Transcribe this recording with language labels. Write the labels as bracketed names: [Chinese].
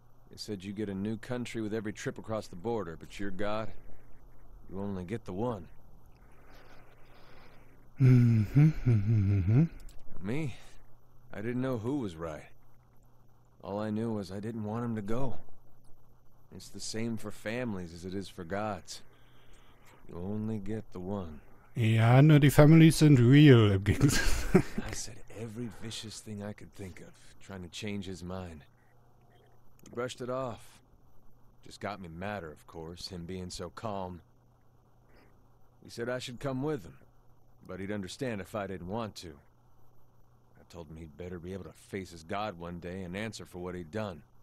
[English] They said you get a new country with every trip across the border, but your God, you only get the one. Me? I didn't know who was right. All I knew was I didn't want him to go. It's the same for families as it is for gods. You only get the one. [German] Ja, nur die Families sind real, im Gegensatz. [English] I said every vicious thing I could think of, trying to change his mind. He brushed it off. Just got me madder, of course, him being so calm. He said I should come with him, but he'd understand if I didn't want to. I told him he'd better be able to face his God one day and answer for what he'd done.